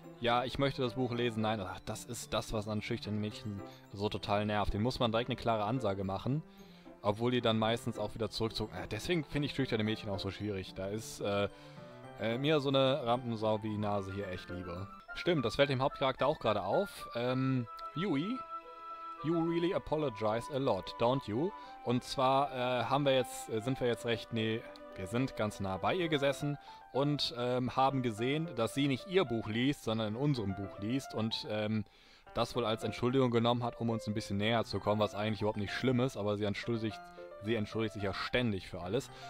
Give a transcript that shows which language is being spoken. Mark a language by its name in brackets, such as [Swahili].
[German] Ja, ich möchte das Buch lesen. Nein, ach, das ist das, was an schüchternen Mädchen so total nervt. Den muss man direkt eine klare Ansage machen, obwohl die dann meistens auch wieder zurückzog. Deswegen finde ich schüchterne Mädchen auch so schwierig. Da ist mir so eine Rampensau wie die Nase hier echt lieber. Stimmt, das fällt dem Hauptcharakter auch gerade auf. [English] Yui, you really apologize a lot, don't you? [German] Und zwar wir sind ganz nah bei ihr gesessen und haben gesehen, dass sie nicht ihr Buch liest, sondern in unserem Buch liest und das wohl als Entschuldigung genommen hat, um uns ein bisschen näher zu kommen, was eigentlich überhaupt nicht schlimm ist, aber sie entschuldigt sich ja ständig für alles.